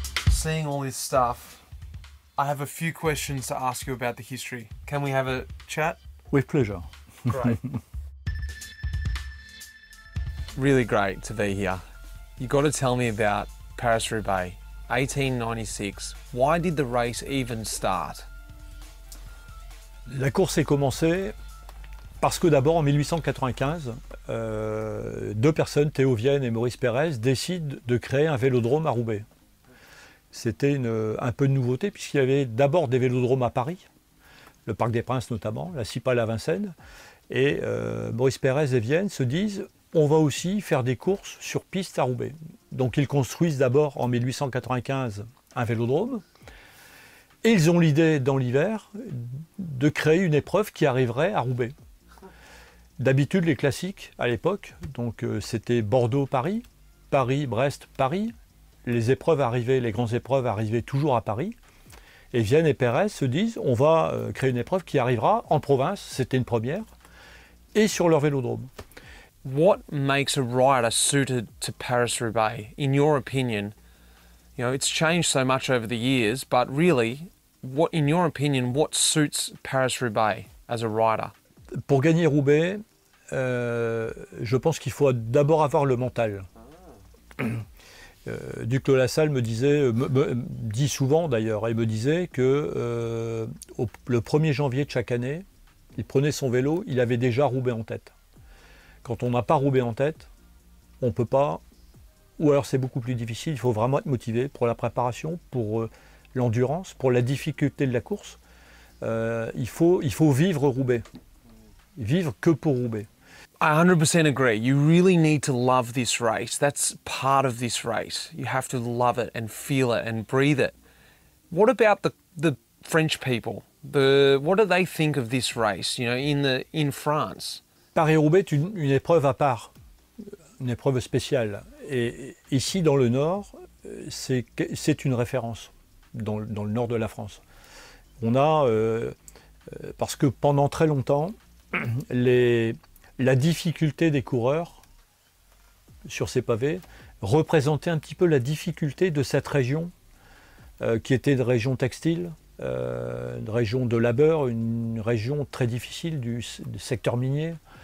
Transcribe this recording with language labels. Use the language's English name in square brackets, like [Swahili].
[English] Seeing all this stuff, I have a few questions to ask you about the history. Can we have a chat? With pleasure. Great. Really great to be here. You got to tell me about Paris-Roubaix, 1896. Why did the race even start? [French] La course est commencée parce que d'abord en 1895, deux personnes, Théo Vienne et Maurice Pérez, décident de créer un vélodrome à Roubaix. C'était un peu de nouveauté puisqu'il y avait d'abord des vélodromes à Paris, le Parc des Princes notamment, la Cipale à Vincennes. Et Maurice Pérez et Vienne se disent « on va aussi faire des courses sur piste à Roubaix ». Donc ils construisent d'abord en 1895 un vélodrome. Et ils ont l'idée dans l'hiver de créer une épreuve qui arriverait à Roubaix. D'habitude les classiques à l'époque, donc c'était Bordeaux-Paris, Paris, Brest, Paris. Les épreuves arrivaient, les grandes épreuves arrivaient toujours à Paris. Et Vienne et Pérez se disent, on va créer une épreuve qui arrivera en province, c'était une première, et sur leur vélodrome. [English] What makes a rider suited to Paris-Roubaix, in your opinion? You know, it's changed so much over the years, but really, what, in your opinion, what suits Paris-Roubaix as a rider? [French] Pour gagner Roubaix, je pense qu'il faut d'abord avoir le mental. Duclos Lassalle me disait, dit souvent d'ailleurs, il me disait que le 1er janvier de chaque année, il prenait son vélo, il avait déjà Roubaix en tête. Quand on n'a pas Roubaix en tête, on ne peut pas, ou alors c'est beaucoup plus difficile, il faut vraiment être motivé pour la préparation, pour l'endurance, pour la difficulté de la course. Il faut vivre Roubaix, vivre que pour Roubaix. [English] I 100% agree. You really need to love this race. That's part of this race. You have to love it and feel it and breathe it. What about the French people? What do they think of this race, you know, in France? [French] Paris-Roubaix est une épreuve à part, une épreuve spéciale. Et ici, dans le Nord, c'est une référence dans le Nord de la France. On a... parce que pendant très longtemps, la difficulté des coureurs sur ces pavés représentait un petit peu la difficulté de cette région qui était une région textile, une région de labeur, une région très difficile du secteur minier.